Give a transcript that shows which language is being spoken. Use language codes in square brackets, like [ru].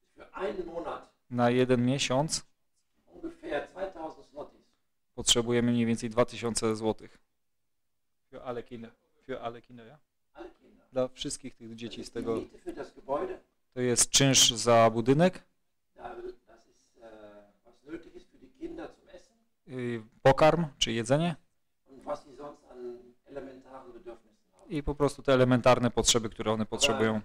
[de] für einen Monat, [pl] na jeden miesiąc [de] ungefähr 2000. [pl] Potrzebujemy mniej więcej 2000 zł. [de] Für alle Kinder, ja? Alle Kinder. [pl] Dla wszystkich tych dzieci z tego. To jest czynsz za budynek. [de] Das ist, was nötig ist für die Kinder zum Essen. [pl] Pokarm czy jedzenie. [de] Und was sie sonst an elementaren Bedürfnissen haben. [pl] I po prostu te elementarne potrzeby, które one potrzebują.